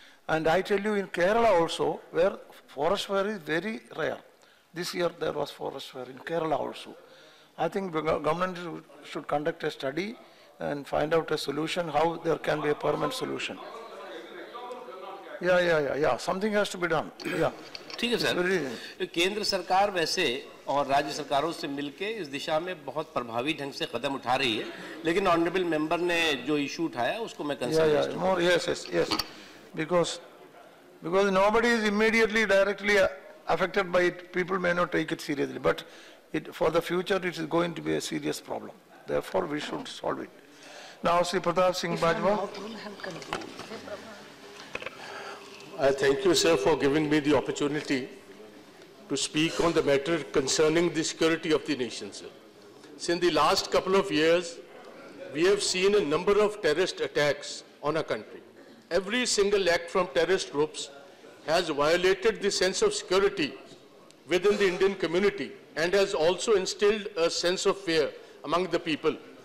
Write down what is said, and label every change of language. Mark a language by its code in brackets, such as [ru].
[en] And I tell you, in Kerala also, where forest fire is very rare. This year there was forest fire in Kerala also. I think the government should conduct a study and find out a solution, how there can be a permanent solution. Yeah, yeah, yeah, yeah. Something has to be done. Yeah. [hi] ठीक है sir, केंद्र सरकार वैसे और राज्य सरकारों से मिलके इस दिशा में बहुत प्रभावी ढंग से कदम उठा रही है, लेकिन ऑनरेबल मेंबर ने जो इशू उठाया उसको मैं कंसीडर करता हूं। [en] More yes yes yes because nobody is immediately directly affected by it, people may not take it seriously, but it for the future it is going to be a serious problem, therefore we should solve it. Now Shri Pratap Singh Bajwa. I thank you, sir, for giving me the opportunity to speak on the matter concerning the security of the nation, sir. Since the last couple of years, we have seen a number of terrorist attacks on our country. Every single act from terrorist groups has violated the sense of security within the Indian community and has also instilled a sense of fear among the people.